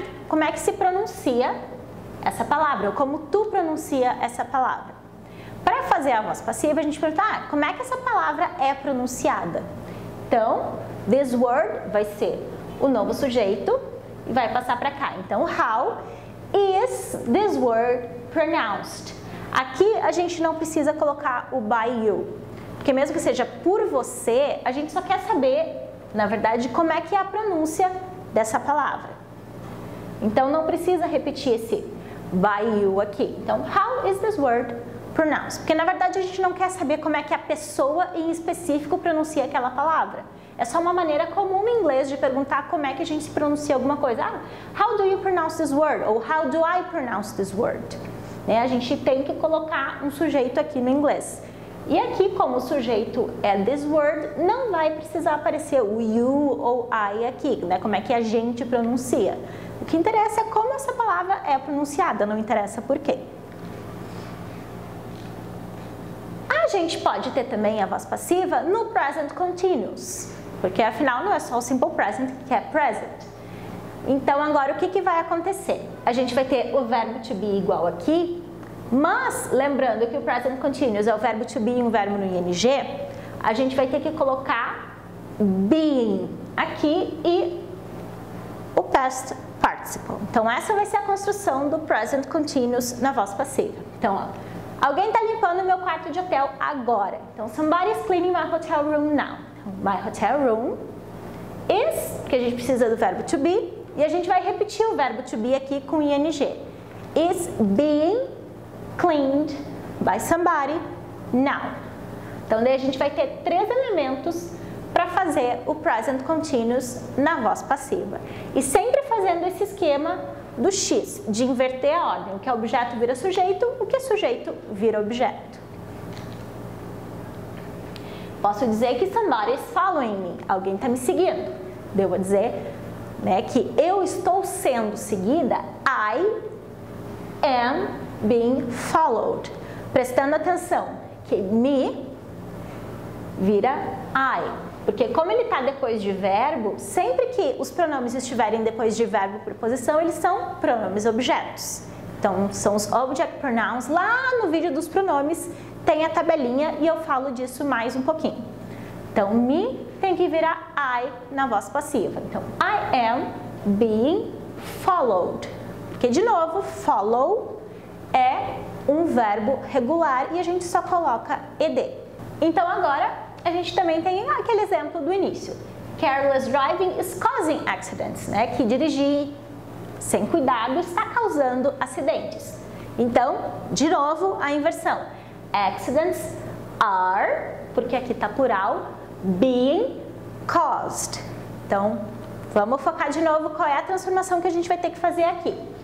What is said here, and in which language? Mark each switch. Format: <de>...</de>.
<pt>Como é que se pronuncia essa palavra? Ou como tu pronuncia essa palavra? Para fazer a voz passiva, a gente pergunta, ah, como é que essa palavra é pronunciada? Então,</pt> <en>this word</en> <pt>vai ser o novo sujeito e vai passar para cá. Então,</pt> <en>how is this word pronounced?</en> <pt>Aqui, a gente não precisa colocar o</pt> <en>by you.</en> <pt>Porque mesmo que seja por você, a gente só quer saber, na verdade, como é que é a pronúncia dessa palavra. Então, não precisa repetir esse</pt> <en>by you</en> <pt>aqui. Então,</pt> <en>how is this word pronounced?</en> <pt>Porque, na verdade, a gente não quer saber como é que a pessoa em específico pronuncia aquela palavra. É só uma maneira comum em inglês de perguntar como é que a gente pronuncia alguma coisa.</pt> <en>Ah, how do you pronounce this word?</en> <pt>Ou</pt> <en>how do I pronounce this word?</en> <pt>Né? A gente tem que colocar um sujeito aqui no inglês. E aqui, como o sujeito é</pt> <en>this word,</en> <pt>não vai precisar aparecer o you ou I aqui, né? Como é que a gente pronuncia. O que interessa é como essa palavra é pronunciada, não interessa por quê. A gente pode ter também a voz passiva no present continuous, porque afinal não é só o simple present que é present. Então agora o que, que vai acontecer? A gente vai ter o verbo to be igual aqui, mas, lembrando que o present continuous é o verbo to be e um verbo no ing, a gente vai ter que colocar being aqui e o past participle. Então, essa vai ser a construção do present continuous na voz passiva. Então, ó, alguém está limpando meu quarto de hotel agora. Então,</pt> <en>somebody is cleaning my hotel room now. My hotel room is,</en> <pt>que a gente precisa do verbo to be, e a gente vai repetir o verbo to be aqui com ing.</pt> <en>Is being cleaned by somebody now.</en> <pt>Então, daí a gente vai ter três elementos para fazer o present continuous na voz passiva. E sempre fazendo esse esquema do X, de inverter a ordem. O que é objeto vira sujeito, o que é sujeito vira objeto. Posso dizer que</pt> <en>somebody is following me.</en> <pt>Alguém está me seguindo. Eu vou dizer, né, que eu estou sendo seguida.</pt> <en>I am being followed.</en> <pt>Prestando atenção que me vira I. Porque como ele está depois de verbo, sempre que os pronomes estiverem depois de verbo por posição, eles são pronomes objetos. Então, são os object pronouns. Lá no vídeo dos pronomes tem a tabelinha e eu falo disso mais um pouquinho. Então, me tem que virar I na voz passiva. Então,</pt> <en>I am being followed.</en> <pt>Porque, de novo, follow é um verbo regular e a gente só coloca ed. Então, agora, a gente também tem aquele exemplo do início.</pt> <en>Careless driving is causing accidents, né?</en> <pt>Que dirigir sem cuidado está causando acidentes. Então, de novo, a inversão.</pt> <en>Accidents are,</en> <pt>porque aqui está plural,</pt> <en>being caused.</en> <pt>Então, vamos focar de novo qual é a transformação que a gente vai ter que fazer aqui.</pt>